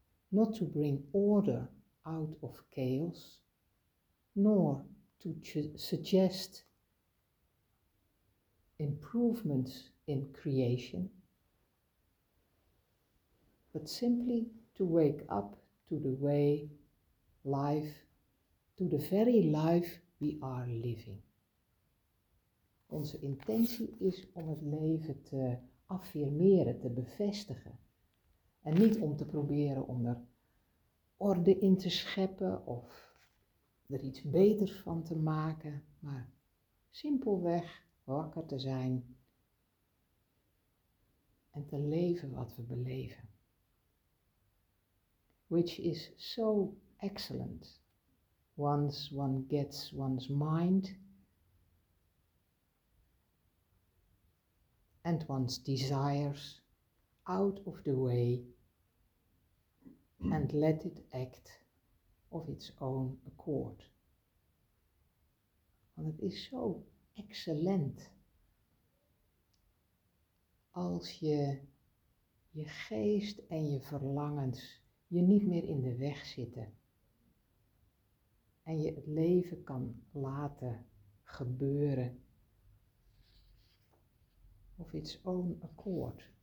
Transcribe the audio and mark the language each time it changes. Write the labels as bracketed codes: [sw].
[en] Not to bring order out of chaos, nor to suggest improvements in creation, but simply to wake up to the way life, to the very life we are living. [nl] Onze intentie is om het leven te affirmeren, te bevestigen. En niet om te proberen om er orde in te scheppen of er iets beters van te maken, maar simpelweg wakker te zijn en te leven wat we beleven. [en] Which is so excellent once one gets one's mind and one's desires out of the way and let it act of its own accord. [nl] Want het is zo excellent als je je geest en je verlangens je niet meer in de weg zitten en je het leven kan laten gebeuren [en] of its own accord.